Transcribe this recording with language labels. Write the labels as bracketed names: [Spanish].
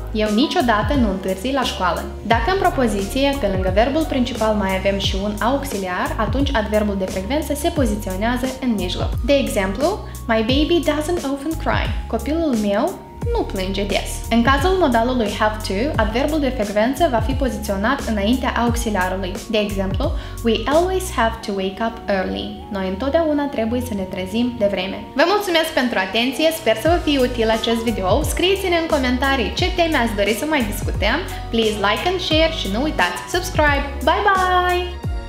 [Romanian] Eu niciodată nu întârzi la școală. Dacă în propoziție, pe lângă verbul principal, mai avem și un auxiliar, atunci adverbul de frecvență se poziționează în mijloc. De exemplu, [English] my baby doesn't often cry. [Romanian] Copilul meu nu plânge des. În cazul modalului have to, adverbul de frecvență va fi poziționat înaintea auxiliarului. De exemplu, [English] we always have to wake up early. [Romanian] Noi întotdeauna trebuie să ne trezim devreme. Vă mulțumesc pentru atenție, sper să vă fie util acest video. Scrieți-ne în comentarii ce teme ați dori să mai discutăm. [English] Please like and share [Romanian] și nu uitați, [English] subscribe! Bye bye!